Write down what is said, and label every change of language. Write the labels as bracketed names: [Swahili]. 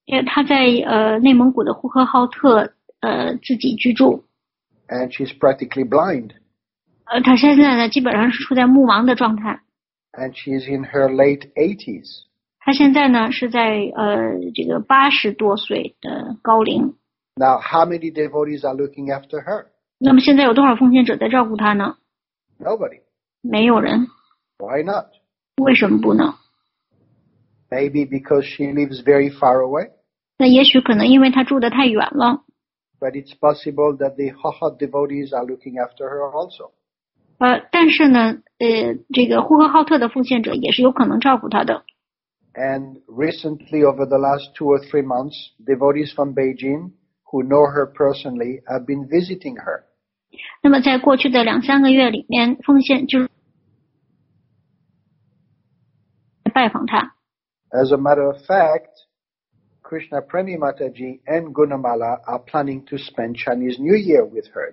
[Chinese] 她在内蒙古的呼和浩特自己居住。 [English] And she's practically blind. [Chinese] 她现在呢，基本上是处在目盲的状态。 [English] And she's in her late 80s. [Chinese] 她现在呢，是在这个八十多岁的高龄。 [English] Now, how many devotees are looking after her? [Chinese] 那么现在有多少奉献者在照顾她呢？ [English] Nobody. [Chinese] 没有人。 [English] Why not? [Chinese] 为什么不呢？ [English] Maybe because she lives very far away. [Chinese] 那也许可能因为她住得太远了。 [English] But it's possible that the Khokhot devotees are looking after her also. [Chinese] 但是呢，这个呼和浩特的奉献者也是有可能照顾她的。 [English] And recently, over the last two or three months, devotees from Beijing,who know her personally, have been visiting her. [Chinese] 那么在过去的两三个月里面，奉献就是拜访她。 [English] As a matter of fact, Krishna Premi Mataji and Gunamala are planning to spend Chinese New Year with her.